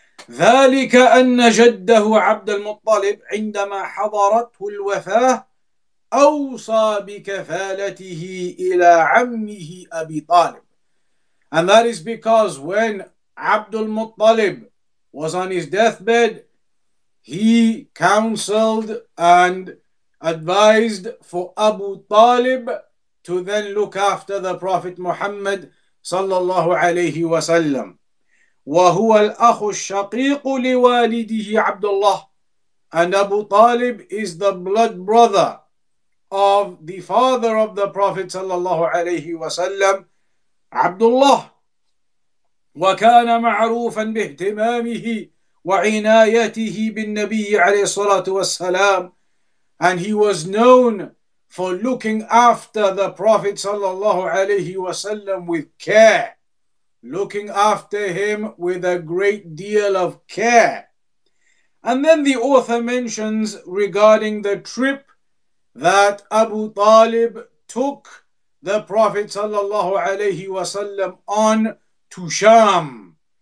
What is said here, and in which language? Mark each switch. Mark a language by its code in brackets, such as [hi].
[ar] ذلك أن جده عبد المطلب عندما حضرته الوفاة أوصى بكفالته إلى عمه أبي طالب. [en] And that is because when عبد المطلب was on his deathbed, he counseled and advised for Abu Talib to then look after the Prophet Muhammad [ar] صلى الله عليه وسلم. وهو الأخ الشقيق لوالده عبد الله. [en] And Abu Talib is the blood brother of the father of the Prophet [ar] صلى الله عليه وسلم, [en] عبد الله. [ar] وكان معروفا باهتمامه وعنايته بالنبي عليه الصلاة والسلام. [en] And he was known for looking after the Prophet [ar] صلى الله عليه وسلم [en] with care, looking after him with a great deal of care. And then the author mentions regarding the trip that Abu Talib took the Prophet sallallahu alayhi wasallam on to Sham.